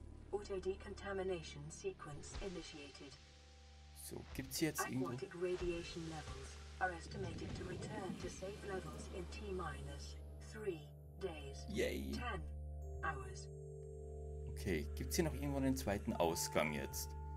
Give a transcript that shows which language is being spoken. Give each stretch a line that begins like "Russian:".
English: Auto-Decontamination Sequence initiated.
German: So, gibt es hier jetzt irgendwo?
English: Aquatic radiation levels are estimated to return to safe levels in T-minus 3 days. Yay. 10 hours.
German: Okay, gibt es hier noch irgendwo einen zweiten Ausgang jetzt?